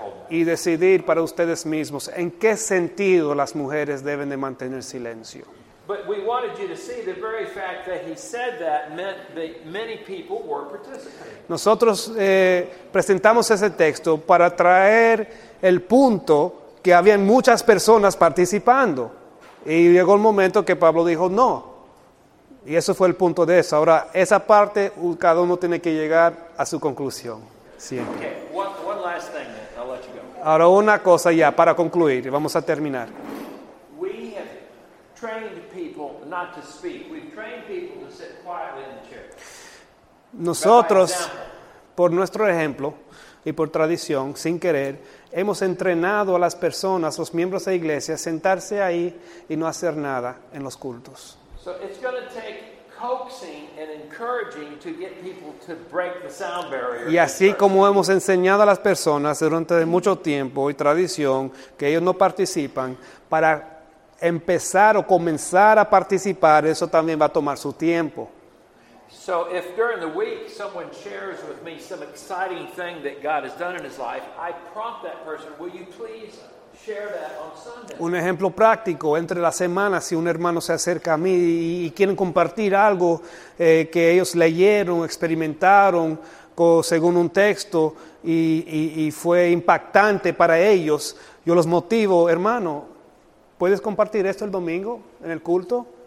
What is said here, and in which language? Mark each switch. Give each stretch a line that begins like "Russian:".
Spanish: Y decidir para ustedes mismos en qué sentido las mujeres deben de mantener silencio.
English: But we wanted you to see the very fact that he said that meant that many people were participating.
Spanish: Nosotros presentamos ese texto para traer el punto que habían muchas personas participando. Y llegó el momento que Pablo dijo no. Y eso fue el punto de eso. Ahora, esa parte, cada uno tiene que llegar a su conclusión. Siempre.
English: Okay, one last thing, then. I'll let you go.
Spanish: Ahora, una cosa ya, para concluir. Vamos a terminar.
English: We have trained people not to speak. We've trained people to sit quietly in the chair.
Spanish: Nosotros, por nuestro ejemplo y por tradición, sin querer, hemos entrenado a las personas, los miembros de la iglesia, a sentarse ahí y no hacer nada en los cultos.
English: So it's going to take coaxing and encouraging to get people to break the sound barrier.
Spanish: Y así como hemos enseñado a las personas durante mucho tiempo y tradición que ellos no participan, para empezar o comenzar a participar, eso también va a tomar su tiempo.
English: So if during the week someone shares with me some exciting thing that God has done in his life, I prompt that person, will you please share that on Sunday?
Spanish: Un ejemplo práctico, entre la semana, si un hermano se acerca a mí y quieren compartir algo que ellos leyeron, experimentaron según un texto y fue impactante para ellos, yo los motivo, hermano, ¿puedes compartir esto el domingo en el culto?